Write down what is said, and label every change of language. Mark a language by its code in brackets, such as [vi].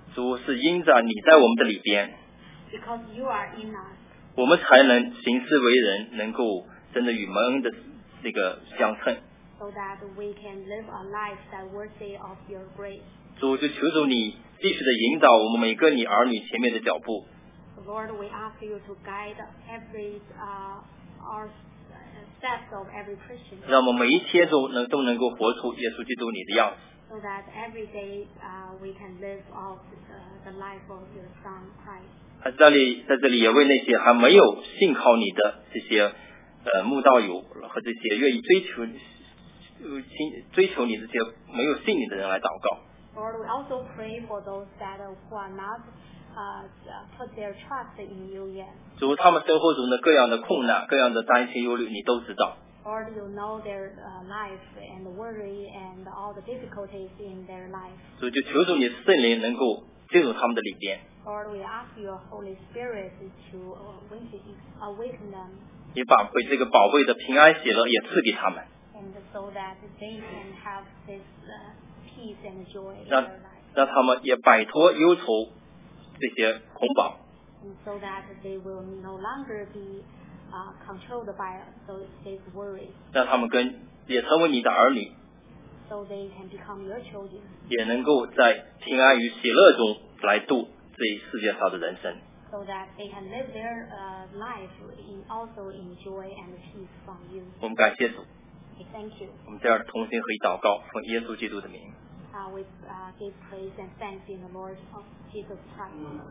[zh] 主，是因着你在我们的里边。 [en] Because you are in us. [zh] 我们才能行事为人，能够真的与蒙恩的那个相称。 [en] So that we can live a life that worthy of your grace. [zh] 主，就求主你继续的引导我们每个你儿女前面的脚步。 [en] Lord, we ask you to guide every our steps of every Christian. [zh] 让我们每一天都能够活出耶稣基督你的样子。 [en] So that every day we can live out the life of your Son Christ. [zh] 在这里也为那些还没有信靠你的这些慕道友和这些愿意追求你这些没有信你的人来祷告。 [en] Lord, we also pray for those that who are not put their trust in you yet. [zh] 主，他们身后中的各样的困难、各样的担心、忧虑，你都知道。 [en] Lord, you know their life and worry and all the difficulties in their life. [zh] 主，就求主你圣灵能够进入他们的里边。 [en] Lord, we ask your Holy Spirit to awaken them. [zh] 你把这个宝贵的平安喜乐也赐给他们。 [en] And so that they can have this peace and joy in their life. [zh] 让他们也摆脱忧愁这些捆绑。 [en] And so that they will no longer be controlled by these worries. [zh] 让他们也成为你的儿女。 [en] So they can become your children. [zh] 也能够在平安与喜乐中来度这一世界上的人生。 [en] So that they can live their life in also in joy and peace from you. [zh] 我们感谢主。 [en] Thank you. [zh] 我们在这儿同心合一祷告，奉耶稣基督的名。 [en] We give praise and thanks in the Lord of Jesus Christ.